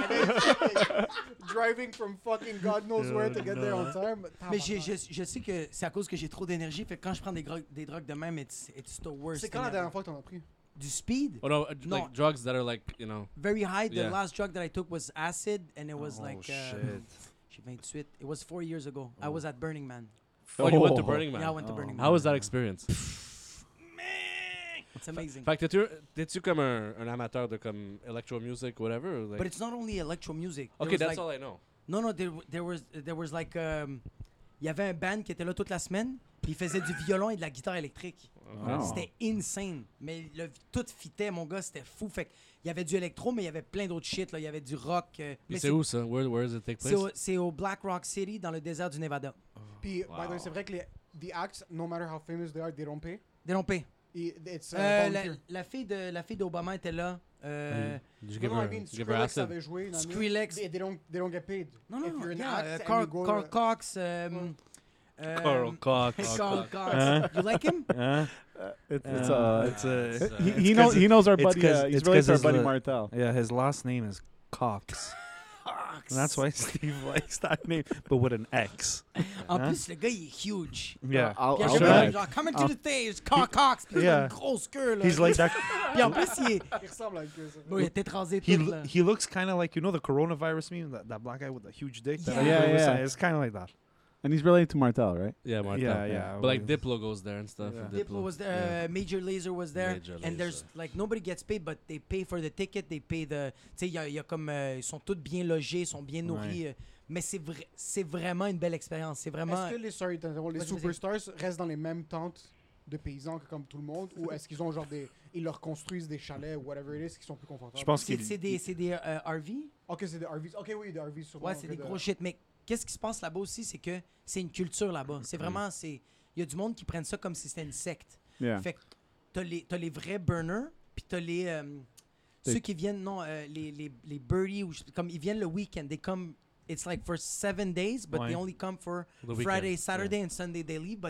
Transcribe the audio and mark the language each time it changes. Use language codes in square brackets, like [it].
[en] And then driving from fucking God knows where to get there on time. [fr] Mais je sais que c'est à cause que j'ai trop d'énergie. Fait que quand je prends des drogues de même, [en] it's the worst. [fr] C'est quand la dernière fois que t'en as pris? Du speed? [en] Oh, no, like drugs that are like, you know... Very high. The last drug that I took was acid. And it was shit. It was 4 years ago. Oh. I was at Burning Man. Oh, you went to Burning Man? Yeah, I went to Burning Man. How was that experience? It's amazing. [fr] Fait que t'es-tu comme un amateur de comme electro music, whatever? [en] Like? But it's not only electro music. There okay, that's like, all I know. No, there was like... [fr] Il y avait un band qui était là toute la semaine, puis il faisait du violon et de la guitare électrique. Oh. C'était insane. Mais tout fitait, mon gars, c'était fou. Fait que... Il y avait du électro, mais il y avait plein d'autres shit. Là. Il y avait du rock. Mais c'est où ça? [en] Where does it take place? [fr] C'est au Black Rock City, dans le désert du Nevada. Oh, puis, wow. [en] By the way, [fr] c'est vrai que [en] the acts, no matter how famous they are, they don't pay. They don't pay. It's [fr] la fille d'Obama était là. Skrillex avait joué. Skrillex. [en] They don't get paid. No. If you're an act, and Carl Cox. Carl Cox. Carl Cox. You like him? He knows our buddy. He's related to our buddy Martel. Yeah, his last name is Cox. Cox. And that's why Steve likes that name, but with an X. [fr] En plus, le gars, [en] he's huge. Yeah, I'll show you. Coming to the stage, Carl Cox. Yeah. He's like that. [fr] En plus, [en] he looks kind of like, you know, the coronavirus meme, that black guy with the huge dick. Yeah. It's kind of like that. And he's related to Martel, right? Yeah, Martel. Yeah. But like Diplo goes there and stuff. Yeah. Diplo was there. Yeah. Major Lazer was there. Major and there's like nobody gets paid, but they pay for the ticket. They pay the. [fr] Tu sais, y a comme ils sont tous bien logés, ils sont bien nourris. Right. Mais c'est vraiment une belle expérience. C'est vraiment. Est-ce que les superstars restent dans les mêmes tentes de paysans que comme tout le monde, ou est-ce qu'ils ont genre des ils leur construisent des chalets, [en] whatever it is, [fr] qui sont plus confortables? Je pense que c'est des RV. Ok, c'est des RVs. Ok, oui, des RVs. Ouais, c'est des gros shit, mais. Qu'est-ce qui se passe là-bas aussi, c'est que c'est une culture là-bas. C'est vraiment, il y a du monde qui prennent ça comme si c'était une secte. [en] Yeah. [fr] Fait que t'as les vrais burners, puis t'as les ceux qui viennent, les birdies, ou comme ils viennent le week-end. [en] They come, it's like for 7 days, but they only come for Friday, Saturday, and Sunday they leave.